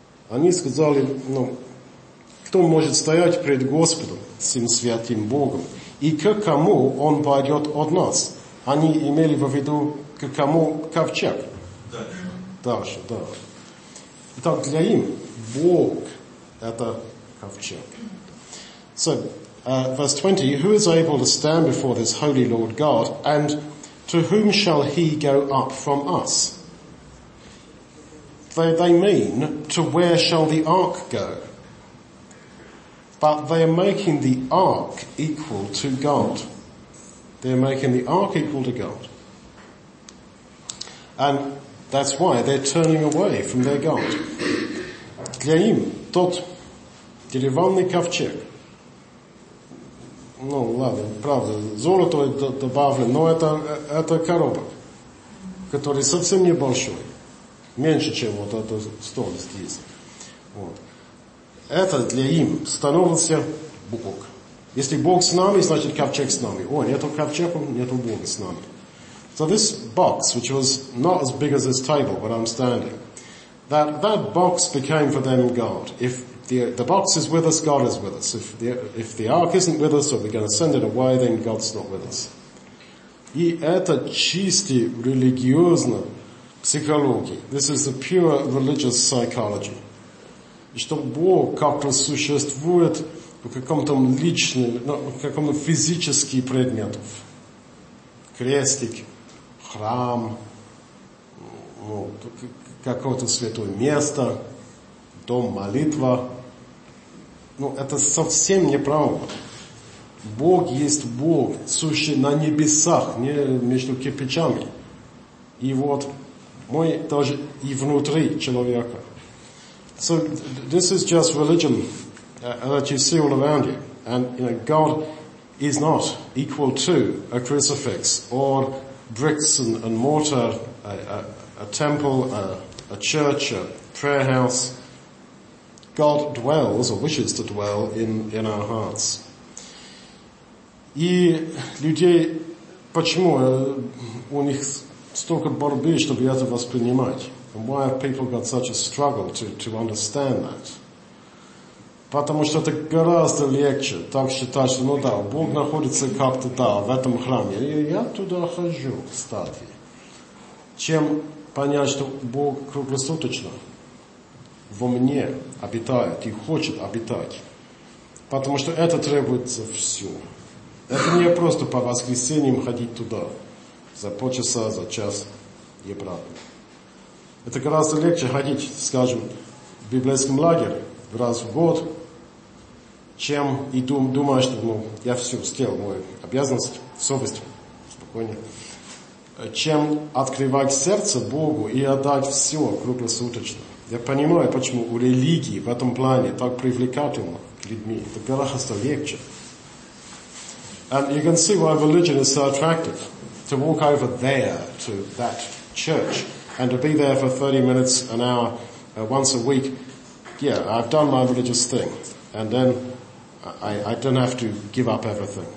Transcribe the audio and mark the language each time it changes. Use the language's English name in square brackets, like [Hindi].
[Russian] Они сказали, ну, кто может стоять пред Господом, всем святым Богом, и к кому он пойдет от нас? Они имели в виду, к кому ковчег. Дальше. Дальше, да. Итак, для им Бог – это ковчег. [English] So, verse 20, who is able to stand before this holy Lord God, and to whom shall he go up from us? They mean, to where shall the ark go? But they are making the ark equal to God. They are making the ark equal to God. And that's why they're turning away from their God. [Russian] Для им тот деревянный ковчег. Ну ладно, правда, золото добавлено, но это коробок, который совсем небольшой. Меньше, чем вот этот стол здесь. Вот. Это для им становился Бог. Если Бог с нами, значит ковчег с нами. О, нету ковчега, нету Бога с нами. [English] So this box, which was not as big as this table where I'm standing, that box became for them God. If the box is with us, God is with us. If the ark isn't with us, or we're going to send it away, then God's not with us. [Russian] И это чисто религиозно. Psychology. [English] This is the pure religious psychology. [Russian] И что Бог как-то существует в каком-то личном, каком-то физическом предмете. Крестик, храм, ну, какое-то святое место, дом молитва. Ну, это совсем неправда. Бог есть Бог, сущий на небесах, не между кирпичами. И вот мы тоже и внутри человека. [English] So this is just religion that you see all around you. And you know, God is not equal to a crucifix or bricks and mortar, a temple, a church, a prayer house. God dwells or wishes to dwell in our hearts. [Russian] И людей, почему у них столько борьбы, чтобы это воспринимать? [English] And why have people got such a struggle to understand that? [Russian] Потому что это гораздо легче так считать, что ну да, Бог находится как-то да, в этом храме. И я туда хожу, кстати. Чем понять, что Бог круглосуточно во мне обитает и хочет обитать. Потому что это требуется все. Это не просто по воскресеньям ходить туда за полчаса, за час и обратно. Это гораздо легче ходить, скажем, в библейском лагере раз в год, чем и думать, что ну, я все сделал, мою обязанность, совесть, спокойнее, чем открывать сердце Богу и отдать все круглосуточно. Я понимаю, почему у религии в этом плане так привлекательно к людьми. Это гораздо легче. [English] And you can see why religion is so attractive. To walk over there to that church and to be there for 30 minutes, an hour, once a week. Yeah, I've done my religious thing. And then I don't have to give up everything.